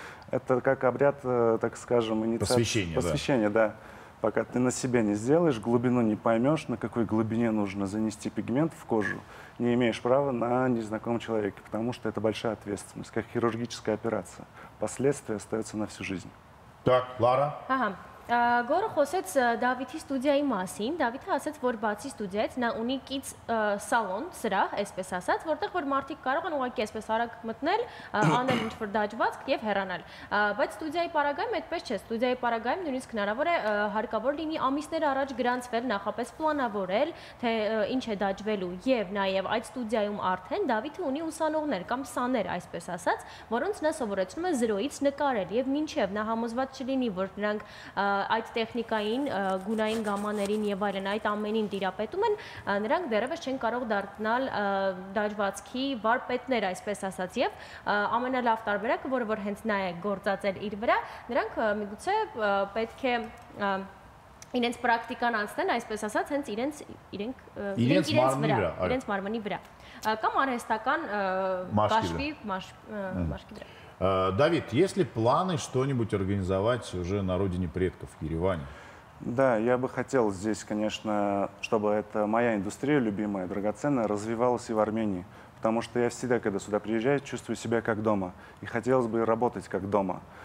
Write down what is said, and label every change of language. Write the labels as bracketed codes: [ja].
[ru] Это как обряд, так скажем, инициации. Посвящение, посвящение, да. Пока ты на себе не сделаешь, глубину не поймешь, на какой глубине нужно занести пигмент в кожу, не имеешь права на незнакомого человека, потому что это большая ответственность, как хирургическая операция. Последствия остаются на всю жизнь. Так, Лара. Ага. [hy] Գորը խոսեց Դավիթի ստուդիայի մասին, Դավիթը ասաց, որ բացի ստուդիայից նա ունի կից սալոն, սրահ, այսպես ասաց, որտեղ որ մարդիկ կարող են ուղղակի այսպես արագ մտնել, անել ինչ-որ դաջվածք եւ հեռանալ, բայց ստուդիայի պարագայում այդպես չէ, ստուդիայի պարագայում նույնիսկ հնարավոր է հարկավոր լինի ամիսներ առաջ գրանցվել, նախապես պլանավորել, թե ինչ է դաջվելու, եւ նաեւ այդ ստուդիայում արդեն Դավիթը ունի ուսանողներ կամ սաներ, այսպես ասաց, որոնց նա սովորեցնում է զրոյից նկարել, եւ մինչեւ նա համոզված չլինի, որ նրանք այդ տեխնիկային, գունային գամաներին եւ այլն այդ ամենին տիրապետում են, նրանք դեռևս չեն կարող դառնալ դաջվածքի վարպետներ, այսպես ասած, եւ ամենալավ տարբերակը, որը որ հենց նա է գործածել իր վրա, նրանք միգուցե պետք է իրենց պրակտիկան անցնեն, այսպես ասած, հենց իրենց մարմնի վրա, կամ արհեստական կաշվի մաշկի վրա։ [ru] Давид, есть ли планы что-нибудь организовать уже на родине предков, в Ереване? Да, я бы хотел здесь, конечно, чтобы эта моя индустрия любимая, драгоценная, развивалась и в Армении. Потому что я всегда, когда сюда приезжаю, чувствую себя как дома. И хотелось бы работать как дома.